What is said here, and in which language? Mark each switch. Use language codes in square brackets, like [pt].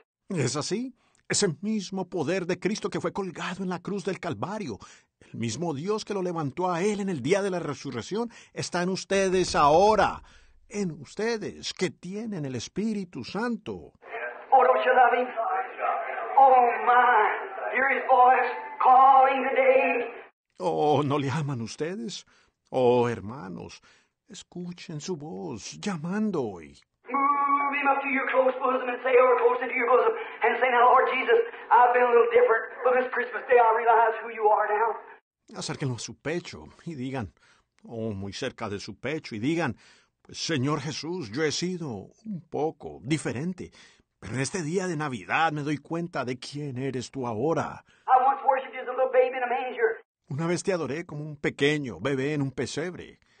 [es] ¿Es así? Ese mismo poder de Cristo que fue colgado en la cruz del Calvario, el mismo Dios que lo levantó a él en el día de la resurrección, está en ustedes ahora, en ustedes que tienen el Espíritu Santo. [en] Oh, don't you love him? Oh, my, hear his voice calling today. [es] Oh, ¿no le aman ustedes? Oh, hermanos, escuchen su voz llamando hoy. [en] Move him up to your close bosom and say, or close into your bosom, and say, now, Lord Jesus, I've been a little different, but this Christmas day I realize who you are now. [es] Acérquenlo a su pecho y digan, oh, muy cerca de su pecho, y digan, pues, Señor Jesús, yo he sido un poco diferente, pero en este día de Navidad me doy cuenta de quién eres tú ahora. [en] I once worshipped you as a little baby in a manger. [es] Una vez te adoré como un pequeño bebé en un pesebre.